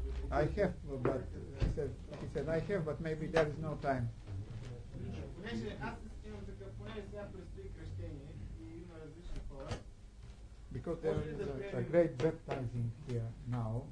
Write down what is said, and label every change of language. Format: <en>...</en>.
<en>I have, but he said I have, but maybe there is no time.</en> <bg>Понеже аз имам така, понеже сега предстои кръщение и има различни хора.</bg> <en>Because there is a great baptizing here now.</en>